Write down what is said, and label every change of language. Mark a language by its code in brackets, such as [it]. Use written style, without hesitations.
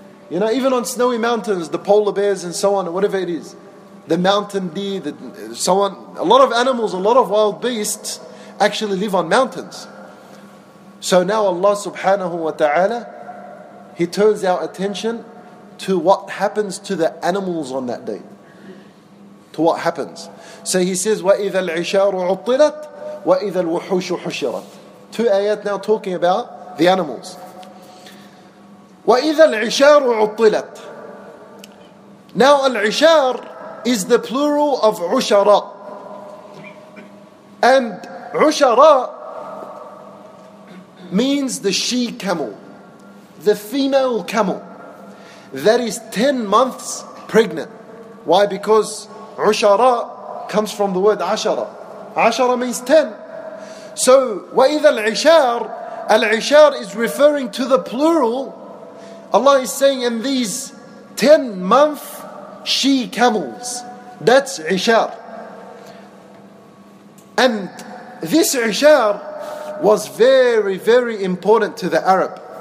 [en] You know, even on snowy mountains, the polar bears and so on, whatever it is, the mountain deer, so on, a lot of animals, a lot of wild beasts, actually live on mountains. So now Allah subhanahu wa ta'ala, He turns our attention to what happens to the animals on that day. To what happens. So He says, [ar] وَإِذَا الْعِشَارُ عُطِّلَتْ وَإِذَا الْوُحُوشُ حُشِرَتْ. [en] Two ayat now talking about the animals. [ar] وَإِذَا الْعِشَارُ عُطِّلَتْ. [en] Now al-ishar is the plural of عُشَرَا. And عُشَرَا means the she camel, the female camel that is 10 months pregnant. Why? Because عُشَرَا comes from the word عَشَرَا. عَشَرَا means 10. [ar] So, وَإِذَا الْعِشَارِ. [en] Al-عِشَارِ is referring to the plural. Allah is saying, in these 10 month she camels, that's عِشَار. And this عِشَار was very, very important to the Arab.